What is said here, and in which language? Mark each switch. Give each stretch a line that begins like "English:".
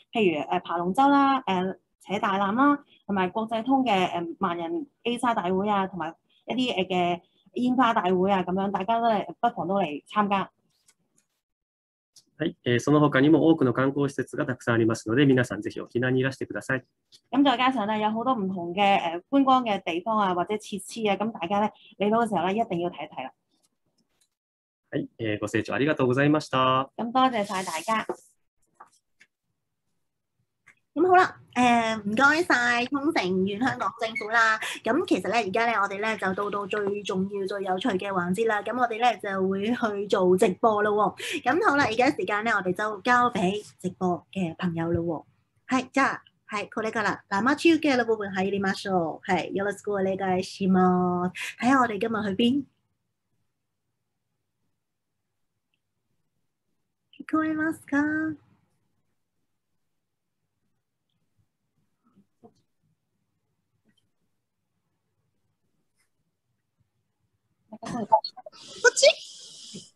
Cantonese: 譬如爬龍舟啦，扯大纜啦，同埋國際通嘅萬人エイサー大會啊，同埋一啲嘅煙花大會啊，咁樣大家都嚟，不妨都嚟參加。
Japanese: はい、その他にも多くの観光施設がたくさんありますので、皆さんぜひ沖縄にいらしてください。
Cantonese: 咁再加上咧，有好多唔同嘅觀光嘅地方啊，或者設施啊，咁大家咧嚟到嘅時候咧，一定要睇一睇啦。
Japanese: はい、ご清聴ありがとうございました。
Cantonese: 咁多謝曬大家。咁好啦。唔該曬沖繩縣香港政府啦。咁其實咧，而家咧我哋咧就到最重要、最有趣嘅環節啦。咁我哋咧就會去做直播咯喎。咁好啦，而家時間咧，我哋就交俾直播嘅朋友咯喎。
Japanese: 係，じゃあ、はい、これから生中継の部分入りましょう。はい、よろしくお願いします。
Cantonese: 睇下我哋今日去邊。
Japanese: 聞こえますか？こっち、